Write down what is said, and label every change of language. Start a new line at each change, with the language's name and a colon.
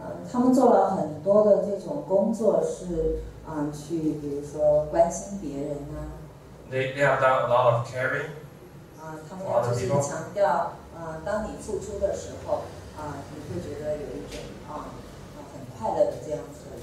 Chinese: 他们做了很多的这种工作是去比如说关心别人啊。
English: They have done a lot of caring.
Chinese: 他们就是强调当你付出的时候你会觉得有一种很快乐的这样子。